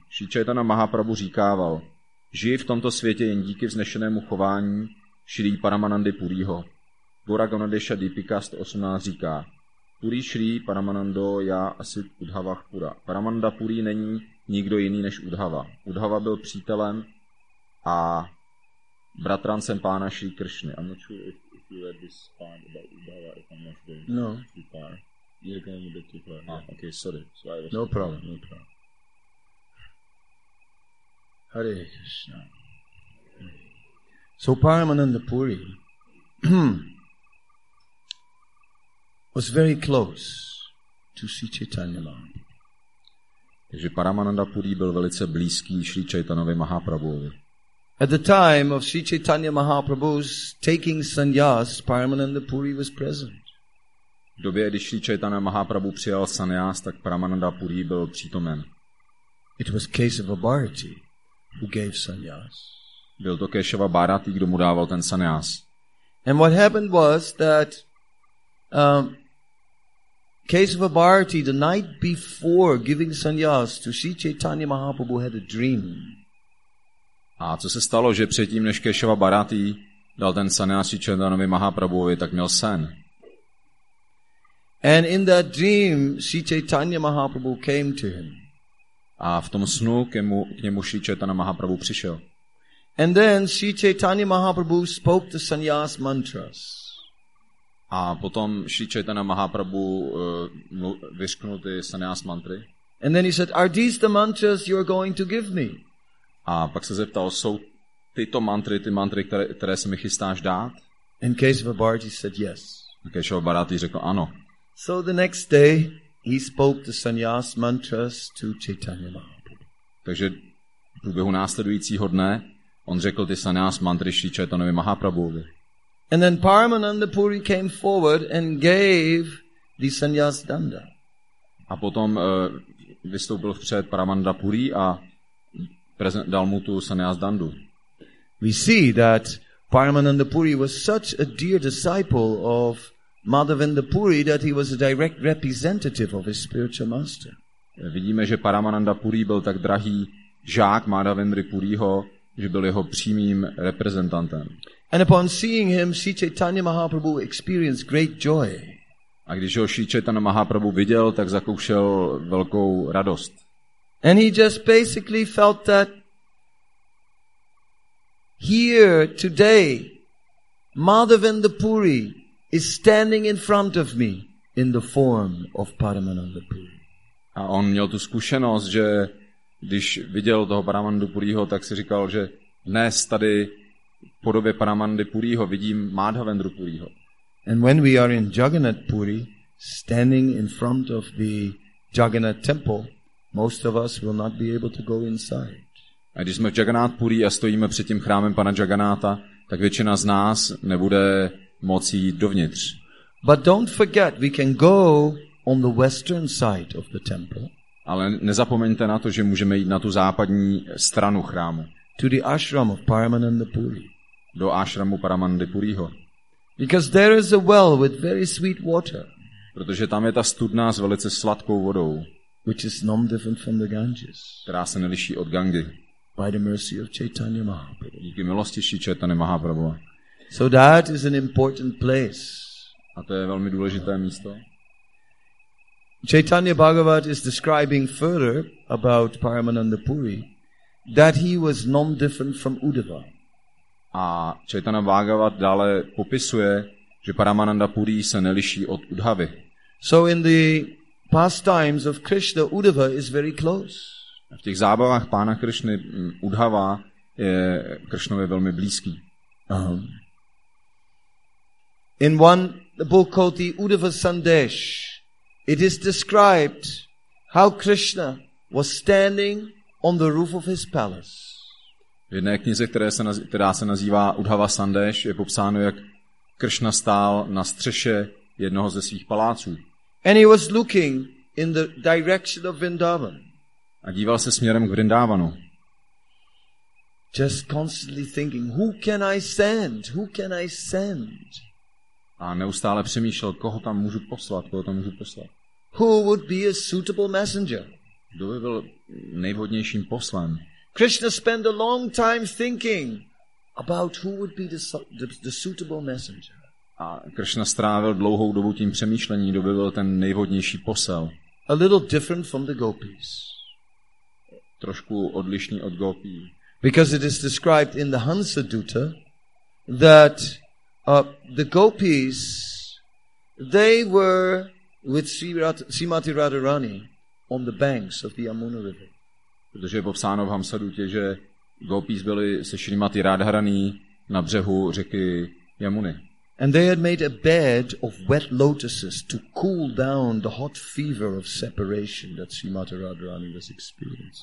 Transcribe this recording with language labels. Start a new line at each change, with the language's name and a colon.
Czech: Šri Chaitanya Mahaprabhu říkával: žij v tomto světě jen díky vznešenému chování Šri Paramanandy Puriho. Gora Ganadesha Deepika 118 říká:
Sanskrit: Puri Šri Paramanando ya asit Udhava Pura.
Czech: Paramanda Puri není nikdo jiný než Udhava. Udhava byl přítelem a bratrancem pána Šri Kršny.
English: I'm not sure if you read this part about Udhava, if I'm not going no. too far. You're going a bit too far. Ah, yeah. Okay, sorry. So I was no problem. No problem. Hare Krishna. So Paramananda Puri was very close to Sri Chaitanya Mahaprabhu.
Czech: Takže Paramananda Puri byl velice blízký Sri Chaitanovi Mahaprabhuovi.
English: At the time of Sri Chaitanya Mahaprabhu's taking sannyas, Paramananda Puri was present.
Czech: V době, kdy Sri Chaitanya Mahaprabhu přijal sannyas, tak Paramananda Puri byl přítomen.
English: It was Keshava Bharati who gave sannyas.
Czech: Byl to Keshava Bharati, kdo mu dával ten sannyas.
English: And what happened was that Keshava Bharati, the night before giving sannyas to Sri Chaitanya Mahaprabhu, had a dream.
Czech: A co se stalo, že předtím, než Keshava Bharati dal ten sannyas Sri Chaitanyovi Mahaprabhuovi, tak měl sen.
English: And in that dream, Sri Chaitanya Mahaprabhu came to him.
Czech: A v tom snu k němu Sri Chaitanya Mahaprabhu přišel.
English: And then Sri Chaitanya Mahaprabhu spoke the sannyas mantras.
Czech: A potom Sri Chaitanya Mahaprabhu vyřknul ty sannyas mantry.
English: And then he said, are these the mantras you are going to give me?
Czech: A pak se zeptal, jsou tyto mantry, ty mantry, které se mi chystáš dát?
English: And Keshava Bharati said yes.
Czech: A Keshava Bharati řekl ano.
English: So the next day he spoke the sannyas mantras to Chaitanya Mahaprabhu.
Czech: Takže v průběhu následujícího dne on řekl ty sannyas mantry Sri Chaitanovi Mahaprabhuovi.
English: And then Paramananda Puri came forward and gave the sannyas danda.
Czech: A potom vystoupil vpřed Paramananda Puri a dal mu tu sannyas dandu.
English: We see that Paramananda Puri was such a dear disciple of Madhavendra Puri that he was a direct representative of his spiritual master.
Czech: Vidíme, že Paramananda Puri byl tak drahý žák Madhavendry Puriho, že byl jeho přímým reprezentantem.
English: And upon seeing him, Sri Chaitanya Mahaprabhu experienced great joy.
Czech: A když ho Sri Chaitanya Mahaprabhu viděl, tak zakoušel velkou radost.
English: And he just basically felt that here today Madhavendra Puri is standing in front of me in the form of Paramananda Puri.
Czech: A on měl tu zkušenost, že když viděl toho Paramanandu Puriho, tak si říkal, že dnes tady v podobě Paramanandy Puriho vidím Madhavendru Puriho.
English: And when we are in Jagannath Puri, standing in front of the Jagannath temple, most of us will not be able to go inside.
Czech: A když jsme v Jagannath Puri a stojíme před tím chrámem pana Jagannatha, tak většina z nás nebude moci jít dovnitř.
English: But don't forget, we can go on the western side of the temple.
Czech: Ale nezapomeňte na to, že můžeme jít na tu západní stranu chrámu.
English: To the ashram of Paramananda Puri.
Czech: Do ashramu Paramanandy Puriho.
English: Because there is a well with very sweet water.
Czech: Protože tam je ta studna s velice sladkou vodou.
English: Which is no different from the Ganges.
Czech: Která se neliší od Gangy.
English: By the mercy of Chaitanya Mahaprabhu.
Czech: Díky milosti Sri Chaitanya Mahaprabhu.
English: So that is an important place.
Czech: A to je velmi důležité místo.
English: Chaitanya Bhagavat is describing further about Paramananda Puri that he was non different from Uddhava.
Czech: A Chaitanya Bhagavat dále popisuje, že Paramananda Puri se neliší od Uddhavy.
English: So in the pastimes of Krishna, Uddhava is very close.
Czech: V těch zábavách pána Krishny Uddhava je Krishnovi velmi blízký.
English: In one book called the Uddhava Sandesh, it is described how Krishna was standing on the roof of his palace.
Czech: V jedné knize, která se nazývá Uddhava Sandesh, je popsáno, jak Krishna stál na střeše jednoho ze svých paláců.
English: And he was looking in the direction of Vrindavan.
Czech: A díval se směrem k Vrindávanu.
English: Just constantly thinking, who can I send? Who can I send?
Czech: A neustále přemýšlel, koho tam můžu poslat, koho tam můžu poslat.
English: Who would be a suitable messenger?
Czech: Kdo by byl nejvhodnějším poslem?
English: Krishna spent a long time thinking about who would be the suitable messenger.
Czech: A Krishna strávil dlouhou dobu tím přemýšlením, kdo by byl ten nejvhodnější posel.
English: A little different from the gopis.
Czech: Trošku odlišný od gopí.
English: Because it is described in the Hansa Dutta that the gopis, they were with Srimati Radharani on the banks of the Yamuna River.
Czech: Protože je popsáno v Hamsa Dutě, že gopis byli se Srimati Radharani na břehu řeky Yamuny.
English: And they had made a bed of wet lotuses to cool down the hot fever of separation that Srimati Radharani was experiencing.